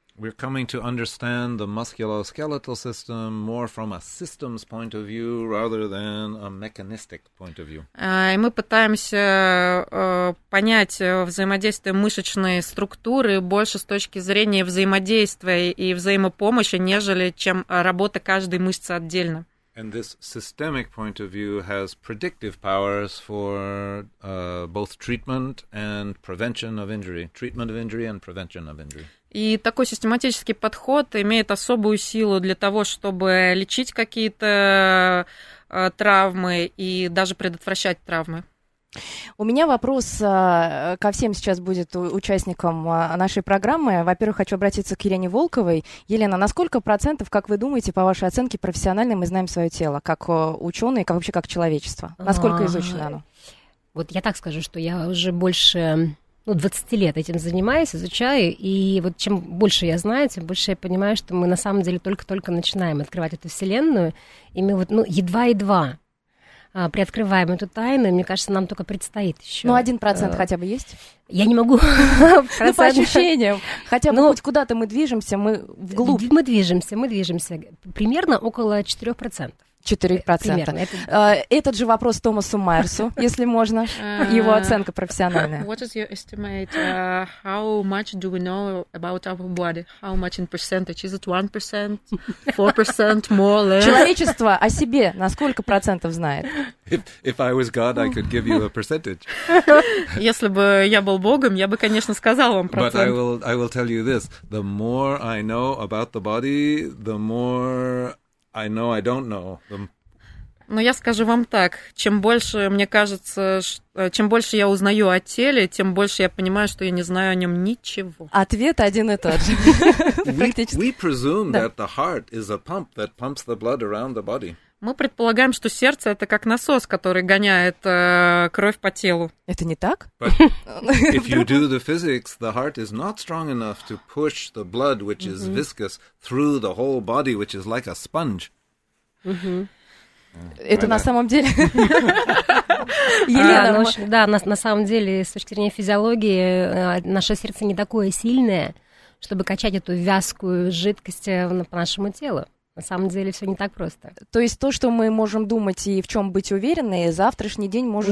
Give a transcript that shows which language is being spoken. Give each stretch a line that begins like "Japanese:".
English: We're coming to understand the musculoskeletal system more from a systems point of view rather than a mechanistic point of view.
Russian: И мы пытаемся понять взаимодействие мышечной структуры больше с точки зрения взаимодействия и взаимопомощи, нежели чем работа каждой мышцы отдельно.
English: And this systemic point of view has predictive powers for both treatment and prevention of injury. Treatment of injury and prevention of injury.
Russian: И такой систематический подход имеет особую силу для того, чтобы лечить какие-то травмы и даже предотвращать травмы. У меня вопрос ко всем сейчас будет участникам нашей программы. Во-первых, хочу обратиться к Елене Волковой. Елена, на сколько процентов, как вы думаете, по вашей оценке, профессионально мы знаем свое тело, как ученые, как вообще как человечество? Насколько изучено оно? Вот я так скажу, что я уже больше... 20 лет этим занимаюсь, изучаю, и вот чем больше я знаю, тем больше я понимаю, что мы на самом деле только-только начинаем открывать эту вселенную, и мы вот, едва-едва приоткрываем эту тайну, и мне кажется, нам только предстоит еще. 1% хотя бы есть? Я не могу. Ну, по ощущениям. Хотя бы хоть куда-то мы движемся, мы вглубь. Мы движемся. Примерно около 4%. 4%. Примерно. Этот же вопрос Томасу Майерсу, если можно. Его оценка профессиональная.
English: What is your estimate? How much do we know about our body? How much in percentage? Is it 1%? 4%? More, less?
Russian: Человечество о себе на сколько процентов знает?
English: If I was God, I could give you a percentage.
Russian: Если бы я был Богом, я бы, конечно, сказал вам процент.
English: But I will tell you this. The more I know about the body, the more... I know, I don't know.
Russian: Но я скажу вам так, чем больше, мне кажется, чем больше я узнаю о теле, тем больше я понимаю, что я не знаю о нем ничего. Ответ один и тот же.
English: We presume that the heart is a pump that pumps the blood around the body.
Russian: Мы предполагаем, что сердце — это как насос, который гоняет кровь по телу. Это не так?
English: If you do the physics, the heart is not strong enough to push the blood, which is viscous, through the whole body, which is like a sponge.
Russian: Это на самом деле... Елена, да, на самом деле, с точки зрения физиологии, наше сердце не такое сильное, чтобы качать эту вязкую жидкость по нашему телу. На самом деле все не так просто. То есть то, что мы можем думать и в чем быть уверены, завтрашний день может